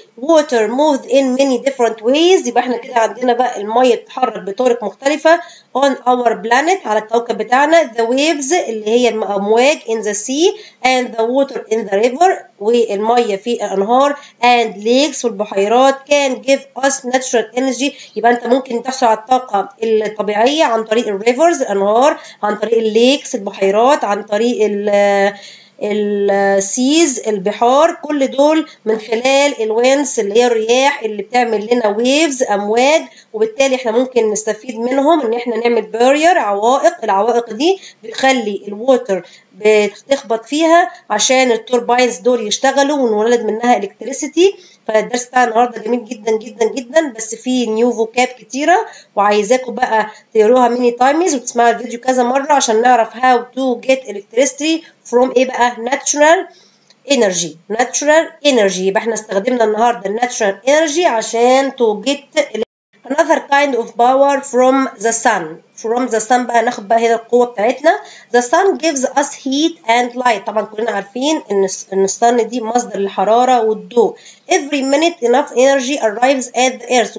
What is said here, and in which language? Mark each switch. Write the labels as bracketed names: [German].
[English] water moves in many different ways، [Arabic] يبقى احنا كده عندنا بقى الميه بتتحرك بطرق مختلفه. [English] on our planet [Arabic] على الكوكب بتاعنا. [English] the waves [Arabic] اللي هي الامواج. [English] in the sea and the water in the river، [Arabic] والميه في الانهار. [English] and lakes [Arabic] والبحيرات. [English] can give us natural energy، [Arabic] يبقى انت ممكن تحصل على الطاقه الطبيعيه عن طريق الريفرز الانهار، عن طريق الليكس البحيرات، عن طريق السيز البحار، كل دول من خلال الوينز اللي هي الرياح اللي بتعمل لنا ويفز امواج، وبالتالي احنا ممكن نستفيد منهم ان احنا نعمل بارير عوائق. العوائق دي بتخلي الووتر بتخبط فيها عشان التوربينز دول يشتغلوا ونولد منها الكتريسيتي. فالدرس بتاع النهارده جميل جدا جدا جدا، بس فيه [English] new vocab [Arabic] كتيره، وعايزاكم بقى تقروها [English] many times [Arabic] وتسمعوا الفيديو كذا مره عشان نعرف [English] how to get electricity from [Arabic] ايه بقى [English] Natural energy. Natural energy [Arabic] يبقى احنا استخدمنا النهارده [English] الناتشورال انرجي [Arabic] عشان [English] To get another kind of power from the sun. From the sun [Arabic] بقى ناخد بقى هنا القوة بتاعتنا. [English] The sun gives us heat and light. [Arabic] طبعا كلنا عارفين ان السن دي مصدر الحرارة والضوء. [English] Every minute enough energy arrives at the earth.